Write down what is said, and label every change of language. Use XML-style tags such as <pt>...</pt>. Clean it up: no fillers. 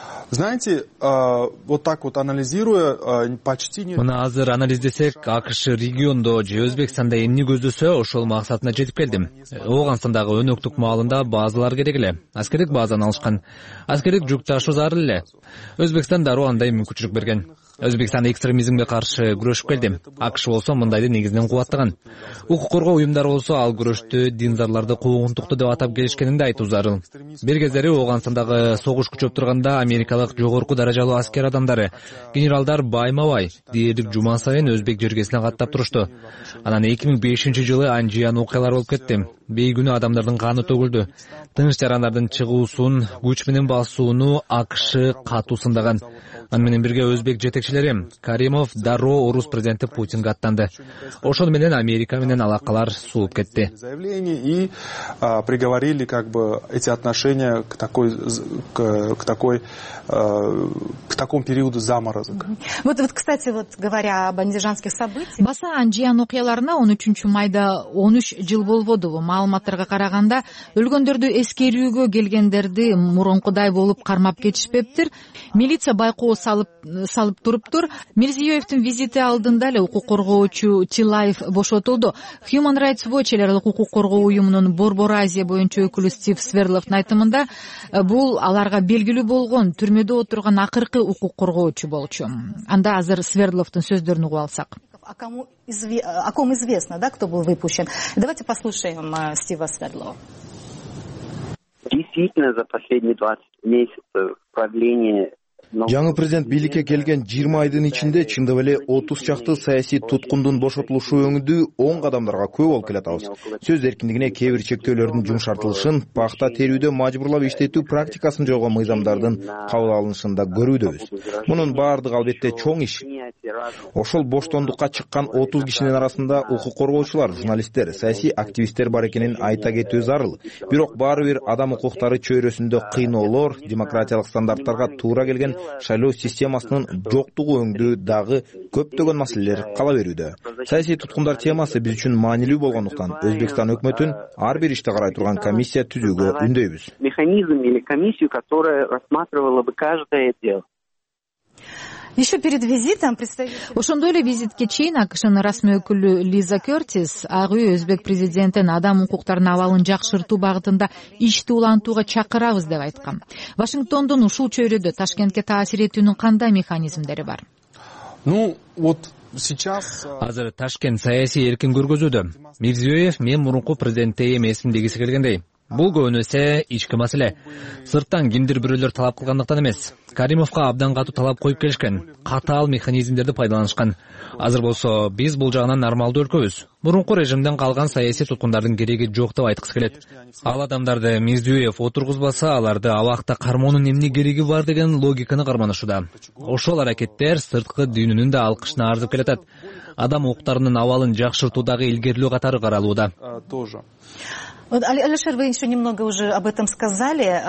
<ru>Знаете, вот так вот анализируя, почти не.</ru> <ky>Мына азыр анализдесек, АКШ региондо же Өзбекстанда эмне көздөсө, ошол максатына жетип келдим. Оогонстандагы өнөктүк маалында базалар керек эле. Аскерлик базаны алышкан. Аскерлик жүк ташуу зарыл эле. Өзбекстан дароо андай мүмкүнчүлүк берген. Өзбекстан экстремизмге каршы күрөшүп келди. АКШ болсо мындайды негизинен кубаттаган. Укук коргоо уюмдары болсо ал күрөштү диндарларды куугунтукту деп атап келишкенин да айтуу зарыл. Бир кездери Оогонстандагы согуш күчөп турганда америкалык жогорку даражалуу аскер адамдары, генералдар Баймабай, дээрлик Жуман сайын өзбек жергесине каттап турушту. Анан 2005-жылы Анжиян окуялары болуп кетти. Бейкүнө адамдардын каны төгүлдү. Тынч жарандардын чыгуусун, күч менен басууну АКШ катуу сындаган. Аны менен бирге өзбек жетекчилери Каримов дароо орус президенти Путинге аттанды. Ошон менен Америка менен алакалар сууп кетти.</ky> <ru>И приговорили как бы эти отношения к такому периоду заморозок. Вот, кстати, вот говоря об андижанских событиях.</ru> <ky>Баса Анжиян окуяларына 13 майда 13 жыл болбодубу? Маалыматтарга караганда өлгөндөрдү эскерүүгө келгендерди мурункудай болуп кармап кетишпептир. Милиция байкоо салып туруптур. Мирзиёевдин визити алдында эле укук коргоочу Тилаев бошотулду. Human Rights Watch эле укук коргоо уюмунун Борбор Азия боюнча өкүлү Стив Сверловдун айтымында бул аларга белгилүү болгон түрмөдө отурган акыркы укук коргоочу болчу. Анда азыр Сверловдун сөздөрүн угуп алсак.</ky> <ru>О ком известно, да, кто был выпущен. Давайте послушаем Стива Сверлова. Действительно, за последние 20 месяцев правления.</ru> <ky>Жаңы президент бийликке келген 20 айдын ичинде чындап эле 30 чакты саясий туткундун бошотулушу өңүдү оң кадамдарга көп болуп келатабыз. Сөз эркиндигине кээ бир чектөөлөрдүн жумшартылышын, пахта терүүдө мажбурлап иштетүү практикасын жойгон мыйзамдардын кабыл алынышында көрүүдөбүз. Мунун баардыгы албетте чоң иш. Ошол боштондукка чыккан 30 кишинин арасында укук коргоочулар, журналисттер, саясий активисттер бар экенин айта кетүү зарыл. Бирок баары бир адам укуктары чөйрөсүндө кыйноолор, демократиялык стандарттарга туура келген шайлоо системасынын жоктугу өңдүү дагы көптөгөн маселелер кала берүүдө. Саясий туткундар темасы биз үчүн маанилүү болгондуктан Өзбекстан өкмөтүн ар бир ишти карай турган комиссия түзүүгө үндөйбүз.</ky> <ru>Механизм или комиссию, которая рассматривала бы каждое дело. Еще перед визитом представитель.</ru> <ky>Ошондой эле визитке чейин АКШнын расмий өкүлү Лиза Кёртис Ак Үй өзбек президентин адам укуктарынын абалын жакшыртуу багытында ишти улантууга чакырабыз деп айткан. Вашингтондун ушул чөйрөдө Ташкентке таасир этүүнүн кандай механизмдери бар?</ky> <ru>Ну, вот сейчас</ru> <ky>азыр Ташкент саясий эркин көргөзүүдө. Мирзиёев мен мурунку президентте эмесмин дегиси келгендей. Бул көбүн эсе ички маселе. Сырттан кимдир бирөөлөр талап кылгандыктан эмес. Каримовго абдан катуу талап коюп келишкен. Катаал механизмдерди пайдаланышкан. Азыр болсо биз бул жагынан нормалдуу өлкөбүз. Мурунку режимден калган саясий туткундардын кереги жок деп айткысы келет. Ал адамдарды Мирзиёев отургузбаса, аларды абакта кармоонун эмне кереги бар деген логиканы карманышууда. Ошол аракеттер сырткы дүйнөнүн да алкышына арзып келатат. Адам укуктарынын абалын жакшыртуудагы илгерилөө катары каралууда.</ky> <ru>Вот, Алишер, вы еще немного уже об этом сказали.</ru>